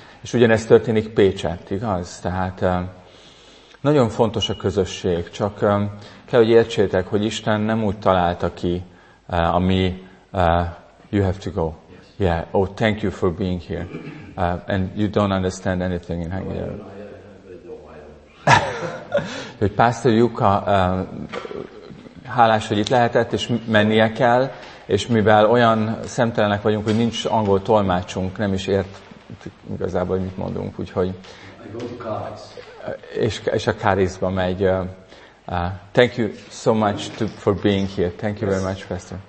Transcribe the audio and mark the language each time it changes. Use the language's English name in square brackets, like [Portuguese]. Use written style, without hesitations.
[Hungarian] És ugyanez történik Pécsett, igaz? Tehát... Nagyon fontos a közösség, csak kell, hogy értsétek, hogy Isten nem úgy találta ki, ami [English] you have to go. Yes. Yeah. Oh, thank you for being here. And you don't understand anything in Hungarian. [Hungarian] Hogy Pásztor Juka, hálás, hogy itt lehetett, és mennie kell, és mivel olyan szemtelenek vagyunk, hogy nincs angol tolmácsunk, nem is ért igazából, mit mondunk, úgyhogy... És a Kárizba megy. [English] Thank you so much for being here. Thank you very much, Pastor.